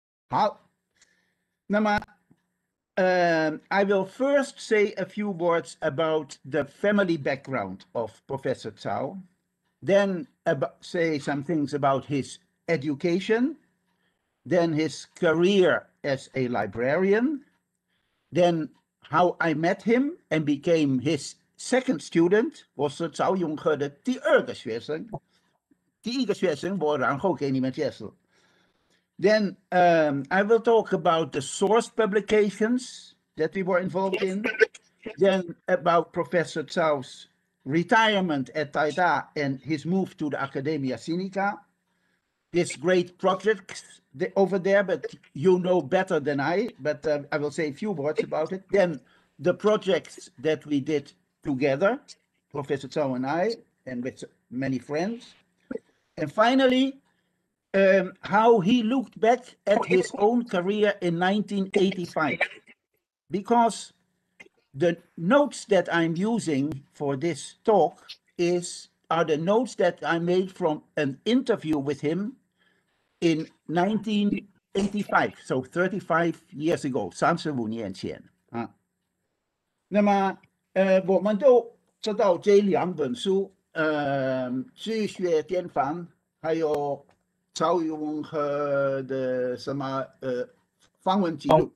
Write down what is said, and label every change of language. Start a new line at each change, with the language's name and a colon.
Chinese: 好，那么，
English: I will first say a few words about the family background of Professor Cao。 Then say some things about his education, then his career as a librarian, then how I met him and became his second student.
Chinese: 我是曹永和的第二个学生，第一个学生我然后给你们介绍。
English: Then I will talk about the source publications that we were involved in, then about Professor Cao's. Retirement at Taita and his move to the Academia Sinica, this great project over there, but you know better than I, but I will say a few words about it. Then the projects that we did together, Professor Cao and I, and with many friends. And finally, how he looked back at his own career in 1985, because. The notes that I'm using for this talk are the notes that I made from an interview with him in 1985, so 35 years ago,
Chinese: 35年前。那么，我们都知道这两本书，《治学典范》还有曹永和的什么访问记录。